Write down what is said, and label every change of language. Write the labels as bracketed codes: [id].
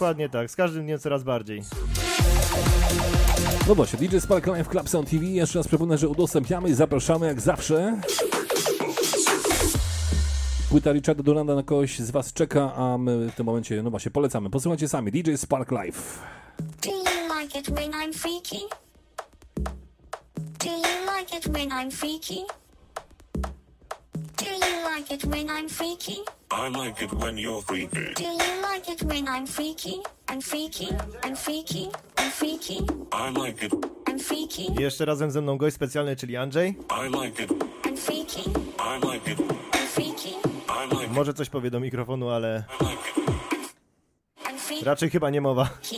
[pl] Dokładnie tak, z każdym dniem coraz bardziej. No właśnie, DJ Spark Live w Club Sound TV, jeszcze raz przypomnę, że udostępniamy i zapraszamy jak zawsze. Płyta Richarda Duranda na kogoś z was czeka, a my w tym momencie, no właśnie, polecamy. Posłuchajcie sami, DJ Spark Live. [en] Do you like it when I'm freaky? Do you like it when I'm freaky? Do you like it when I'm freaky? I like it when you're freaky. Do you like it when I'm freaky? I'm freaky, I'm freaky, I'm freaky. I like it. I'm freaky. [pl] Jeszcze razem ze mną gość specjalny, czyli Andrzej. [en] I like it. I'm freaky. I like it. I'm freaky. [pl] Może coś powie do mikrofonu, ale raczej chyba nie mowa.